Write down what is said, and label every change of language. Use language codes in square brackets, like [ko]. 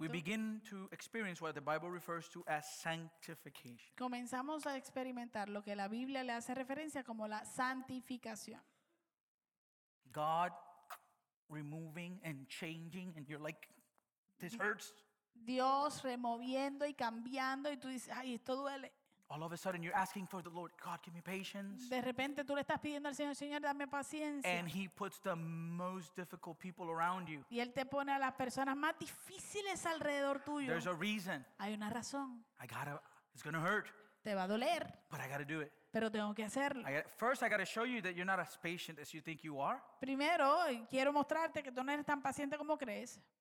[en] we begin to experience what the Bible refers to as sanctification. [es] Comenzamos a experimentar lo que la Biblia le hace referencia como la santificación. [en] God removing and changing, and you're like, this hurts. [es] Dios removiendo y cambiando, y tú dices, ay, esto duele. [en] All of a sudden you're asking for the Lord, God, give me patience. [es] De repente tú le estás pidiendo al Señor, Señor, dame paciencia. [en] And he puts the most difficult people around you. [es] Y él te pone a las personas más difíciles alrededor tuyo. [en] There's a reason. [es] Hay una razón. [en] It's going to hurt. [es] Te va a doler. [en] But I got to do it. [es] Pero tengo que hacerlo. [en] First I got to show you that you're not as patient as you think you are. [es] Primero quiero mostrarte que tú no eres tan paciente como crees.